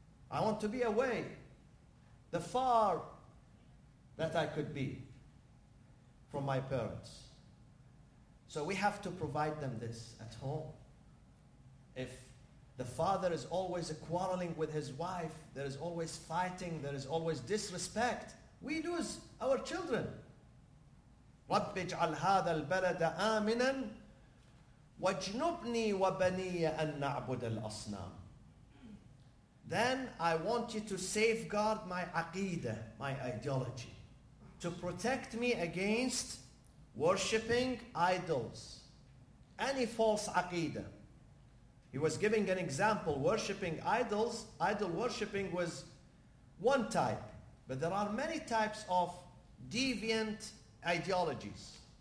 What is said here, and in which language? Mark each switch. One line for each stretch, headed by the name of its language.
English: I want to be away, the far that I could be from my parents. So we have to provide them this at home. If the father is always quarreling with his wife, there is always fighting, there is always disrespect, we lose our children.
Arabic: رب اجعل هذا البلد آمنا واجنبني وبني أن نعبد الأصنام.
English: Then I want you to safeguard my aqidah, my ideology, to protect me against worshipping idols, any false aqidah. He was giving an example, worshipping idols. Idol worshipping was one type, but there are many types of deviant ideologies.